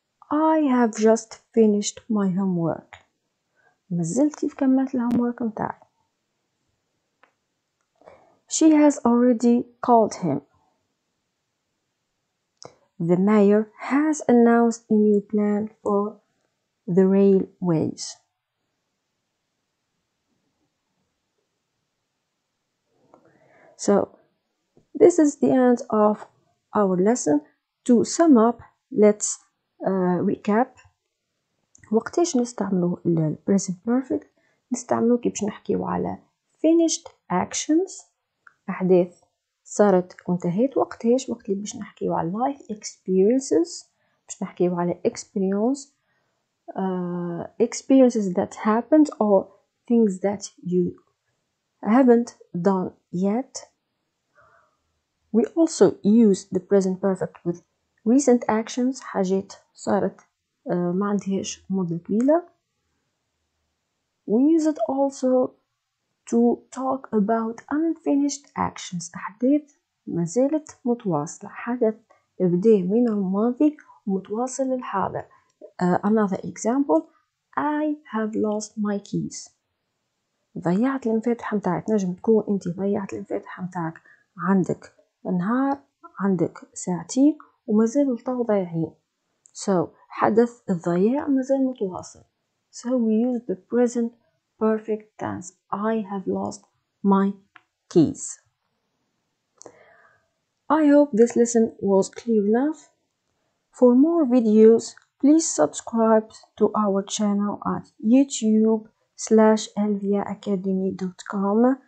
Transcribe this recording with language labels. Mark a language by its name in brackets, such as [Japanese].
[English] I have just finished my homework. [Arabic] مازلت كيف كملت الهومورك متاعي. [English] She has already called him. The mayor has announced a new plan for the railways. So, this is the end of our lesson. To sum up, let's recap. [Arabic] وقتاش نستعملو present perfect؟ نستعملو كي باش نحكيو على [English] finished actions، [Arabic] أحداث صارت وانتهيت. وقتاش؟ وقت اللي باش نحكيو على life experiences، باش نحكيو على experience. [English] Experiences that happened or things that you haven't done yet. We also use the present perfect with recent actions, [Arabic] حاجات صارت ما عندهاش مدة طويلة. [English] We use it also to talk about unfinished actions, [Arabic] أحداث ما زالت متواصلة، حدث بدا من الماضي ومتواصل للحاضر. [English] Another example, I have lost my keys. [Arabic] ضيعت المفاتيح متاعك. نجم تكون انت ضيعت المفاتيح متاعك، عندك نهار، عندك ساعتين وما زال الطاو ضايعين. So حدث الضياع ما زال متواصل. [English] So we use the present perfect tense, I have lost my keys. I hope this lesson was clear enough. For more videos, please subscribe to our channel at youtube.com/lvaacademy.com.